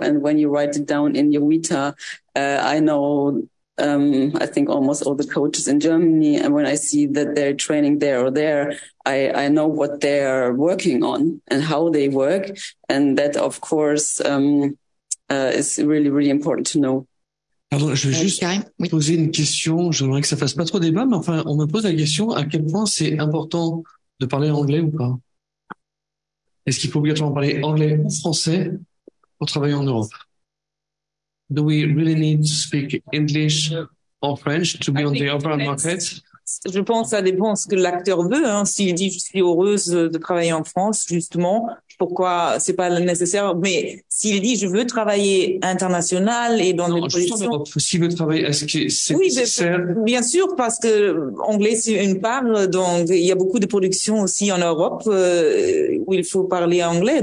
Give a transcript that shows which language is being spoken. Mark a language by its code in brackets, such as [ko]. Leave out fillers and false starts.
[en] And when you write it down in your Vita, I know, I think almost all the coaches in Germany, and when I see that they're training there or there, I know what they're working on and how they work. And that, of course, is really, really important to know. [fr] Pardon, je vais juste poser une question. J'aimerais que ça fasse pas trop débat, mais enfin, on me pose la question, à quel point c'est important de parler anglais ou pas? Est-ce qu'il faut obligatoirement parler anglais ou français pour travailler en Europe? [en] Do we really need to speak English or French to be on the open market? [fr] Je pense que ça dépend ce que l'acteur veut. Hein. S'il dit « je suis heureuse de travailler en France », justement, pourquoi ce n'est pas nécessaire? Mais s'il dit « je veux travailler international et dans des positions… » Non, s'il veut travailler, est-ce que c'est nécessaire? Oui, bien sûr, parce que anglais c'est une part. Donc, il y a beaucoup de productions aussi en Europe où il faut parler anglais.